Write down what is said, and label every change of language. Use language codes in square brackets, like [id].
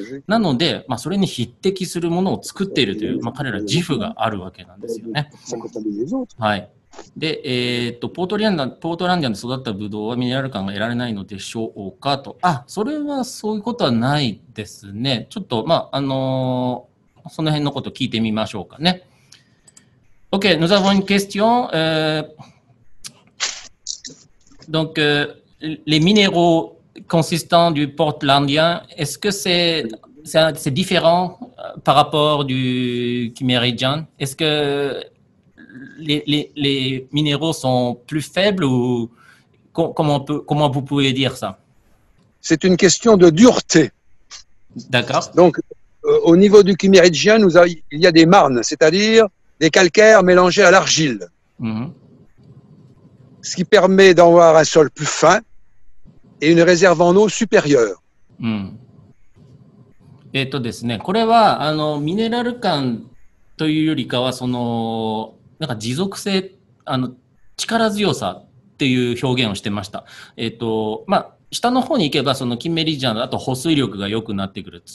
[ja] なので、まあ、それに匹敵するものを作っているという、まあ、彼ら自負があるわけなんですよね。はい。で、ポートランディアンで育ったブドウはミネラル感が得られないのでしょうかと。あ、それはそういうことはないですね。ちょっと、まあ、その辺のことを聞いてみましょうかね。 [fr] OK, nous avons une question. Donc, les minéraux consistants du portlandien, est-ce que c'est différent par rapport du kimmeridgian? Est-ce que... Les minéraux sont plus faibles ou comment vous pouvez dire ça? C'est une question de dureté. D'accord. Donc, au niveau du kimmeridgien, il y a des marnes, c'est-à-dire des calcaires mélangés à l'argile. Mm-hmm. Ce qui permet d'avoir un sol plus fin et une réserve en eau supérieure. [ja] ミネラル感というよりかはそのなんか持続性、力強さっていう表現をしてました。まあ、下の方に行けば、そのキンメリジャンだと保水力が良くなってくる。